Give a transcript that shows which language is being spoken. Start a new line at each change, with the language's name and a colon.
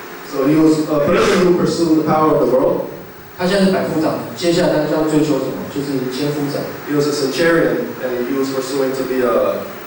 English: So he was a person who pursued the power of the world.
Chinese: 他现在是百夫长，接下来他要追求什么？就是千夫长。
English: He was a centurion, and he was pursuing to be a.